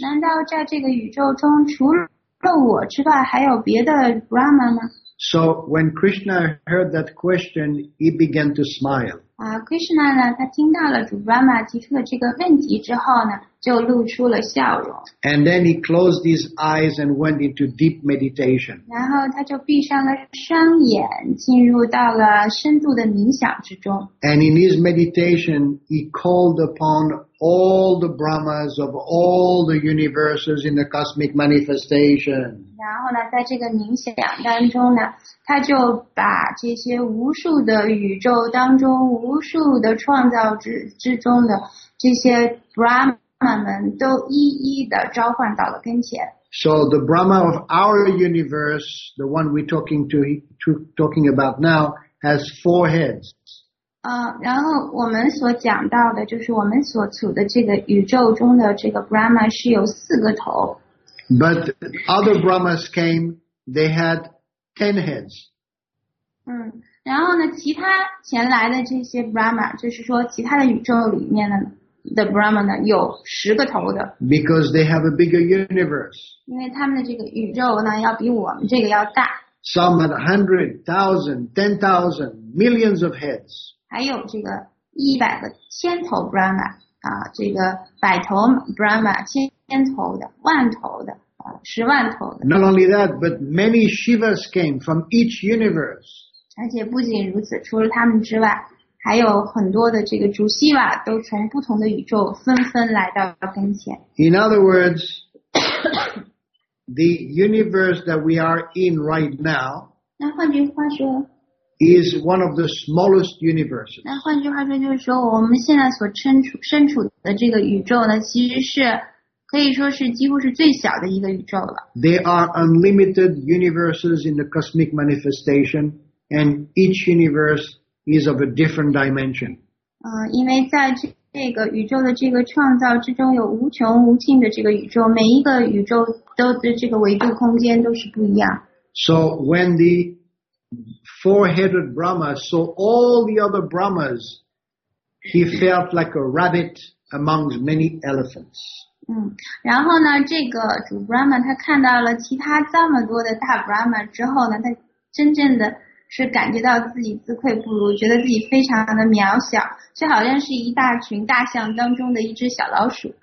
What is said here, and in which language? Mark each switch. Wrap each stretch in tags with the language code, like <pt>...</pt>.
<zh>难道在这个宇宙中除了我之外还有别的 Brahma 吗？</zh> <en>So when Krishna heard that question, he began to smile.</en> <zh>Krishna 呢，他听到了主 Brahma 提出的这个问题之后呢。就露出了笑容。</zh> <en>And then he closed his eyes and went into deep meditation.</en> <zh>然后他就闭上了双眼，进入到了深度的冥想之中。</zh> <en>And in his meditation, he called upon all the Brahmas of all the universes in the cosmic manifestation.</en> <zh>然后呢，在这个冥想当中呢，他就把这些无数的宇宙当中、无数的创造之中的这些 Brahma。</zh> <en>So the Brahma of our universe, the one we're talking about now, has four heads.</en> <zh>然后我们所讲到的就是我们所处的这个宇宙中的这个 Brahma 是有四个头。</zh> <en>But other Brahmas came, they had 10 heads.</en> <zh>然后呢，其他前来的这些 Brahma, 就是说其他的宇宙里面的呢。</zh> <en>The</en> <zh>Brahma 呢有十个头的</zh> <en>，because they have a bigger universe.</en> <zh>因为他们的这个宇宙呢要比我们这个要大。</zh> <en>Some had 100,000, 10,000, millions of heads.</en> <zh>还有这个100,000 Brahma 啊，这个百头 Brahma 千头的、万头的、十万头的。</zh> <en>Not only that, but many Shivas came from each universe.</en> <zh>而且不仅如此，除了他们之外。还有很多的这个主希瓦都从不同的宇宙纷纷来到跟前。</zh> <en>In other words, the universe that we are in right now,</en> <zh>那换句话说</zh> <en>is one of the smallest universes.</en> <zh>那换句话说就是说我们现在所身处的这个宇宙呢其实是可以说是几乎是最小的一个宇宙了。</zh> <en>There are unlimited universes in the cosmic manifestation, and each universe is of a different dimension.</en> <zh>因为在这个宇宙的这个创造之中有无穷无尽的这个宇宙每一个宇宙都的这个维度空间都是不一样。</zh> <en>So when the four-headed Brahma saw all the other Brahmas, he felt like a rabbit amongst many elephants.</en> <zh>然后呢这个主 Brahma 他看到了其他这么多的大 Brahma 之后呢他真正的是感觉到自己自愧不如，觉得自己非常的渺小，就好像是一大群大象当中的一只小老鼠。</zh>